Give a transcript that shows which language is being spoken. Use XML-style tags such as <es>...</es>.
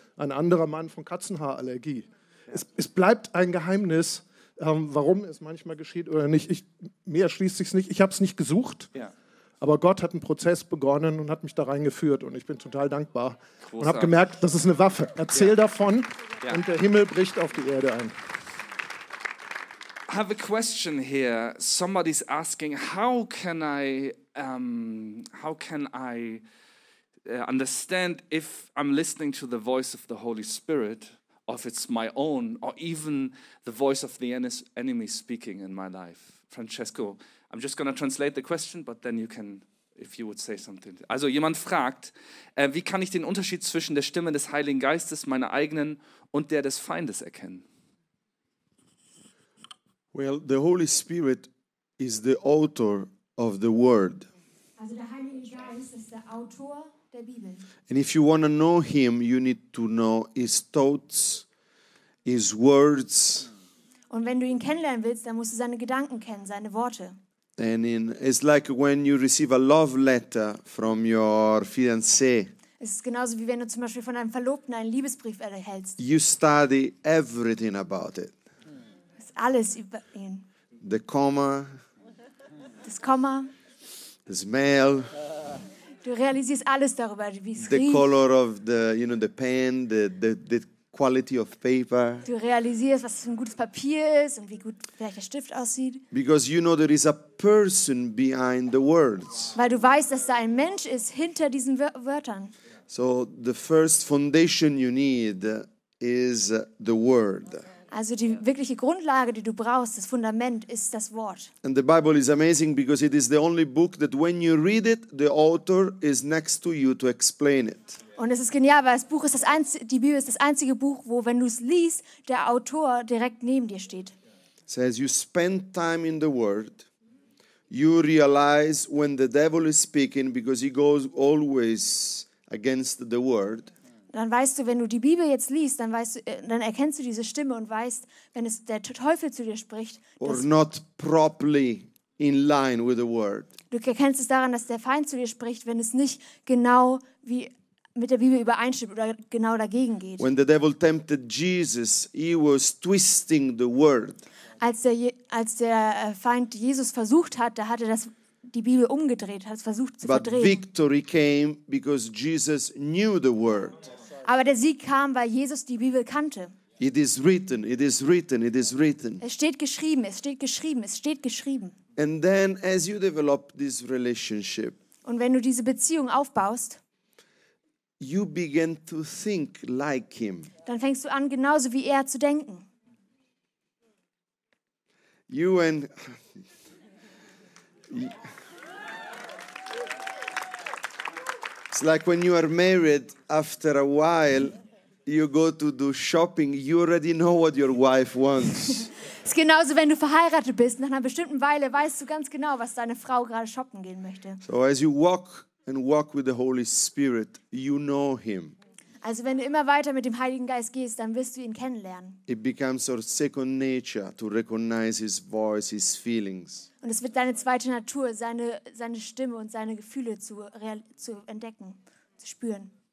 <de>Ein anderer Mann von Katzenhaarallergie. Es bleibt ein Geheimnis, warum es manchmal geschieht oder nicht. Mir erschließt sich es nicht. Ich habe es nicht gesucht. Aber Gott hat einen Prozess begonnen und hat mich da reingeführt. Und ich bin total dankbar. Großartig. Und habe gemerkt, das ist eine Waffe. Erzähl davon und der Himmel bricht auf die Erde ein.</de> <en>I have a question here. Somebody's asking, how can I understand if I'm listening to the voice of the Holy Spirit, or if it's my own, or even the voice of the enemy speaking in my life? Francesco, I'm just going to translate the question, but then you can, if you would say something.</en> <de>Also jemand fragt, wie kann ich den Unterschied zwischen der Stimme des Heiligen Geistes, meiner eigenen, und der des Feindes erkennen?</de> <en>Well, the Holy Spirit is the author of the Word.</en> <de>Also der Heilige Geist ist der Autor der Bibel.</de> <en>And if you want to know him, you need to know his thoughts, his words.</en> <de>Und wenn du ihn kennenlernen willst, dann musst du seine Gedanken kennen, seine Worte.</de> <en>And it's like when you receive a love letter from your fiancé.</en> <de>Es ist genauso wie wenn du zum Beispiel von deinem Verlobten einen Liebesbrief erhältst.</de> <en>You study everything about it.</en> <de>Alles über ihn.</de> <en>The comma.</en> <de>Das Komma.</de> <en>The smell.</en> <de>Du realisierst alles darüber, wie es riecht.</de> <en>The color of the, you know, the pen, the quality of paper.</en> <de>Du realisierst, was für ein gutes Papier ist und wie gut vielleicht der Stift aussieht.</de> <en>Because you know there is a person behind the words.</en> <de>Weil du weißt, dass da ein Mensch ist hinter diesen Wörtern.</de> <en>So the first foundation you need is the word.</en> <de>Also die wirkliche Grundlage, die du brauchst, das Fundament, ist das Wort.</de> <en>And the Bible is amazing because it is the only book that when you read it, the author is next to you to explain it.</en> <de>Und es ist genial, weil das Buch ist das einzige, die Bibel ist das einzige Buch, wo, wenn du es liest, der Autor direkt neben dir steht.</de> <en>It says you spend time in the Word, you realize when the devil is speaking because he goes always against the Word.</en> <de>Dann weißt du, wenn du die Bibel jetzt liest, dann weißt du, dann erkennst du diese Stimme und weißt, wenn es der Teufel zu dir spricht,</de> <en>or not properly in line with the word.</en> <de>Du erkennst es daran, dass der Feind zu dir spricht, wenn es nicht genau wie mit der Bibel übereinstimmt oder genau dagegen geht.</de> <en>When the devil tempted Jesus, he was twisting the word.</en> <de>Als der Feind Jesus versucht hat, da hat er das die Bibel umgedreht, hat es versucht zu verdrehen.</de> <en>But victory came because Jesus knew the word.</en> <de>Aber der Sieg kam, weil Jesus die Bibel kannte.</de> <en>It is written, it is written, it is written.</en> <de>Es steht geschrieben, es steht geschrieben, es steht geschrieben.</de> <en>And then as you develop this relationship,</en> <de>und wenn du diese Beziehung aufbaust,</de> <en>you begin to think like him.</en> <de>Dann fängst du an, genauso wie er zu denken.</de> <en>You and... It's like when you are married, after a while, you go to do shopping, you already know what your wife wants.</en> <de>Es ist genauso, wenn du verheiratet bist, nach einer bestimmten Weile weißt du ganz genau, was deine Frau gerade shoppen gehen möchte.</de> <en>So as you walk and walk with the Holy Spirit, you know him.</en> <de>Also wenn du immer weiter mit dem Heiligen Geist gehst, dann wirst du ihn kennenlernen.</de> <en>It becomes your second nature to recognize his voice, his feelings.</en> <de>Und es wird deine zweite Natur, seine Stimme und seine Gefühle zu entdecken, zu spüren.</de>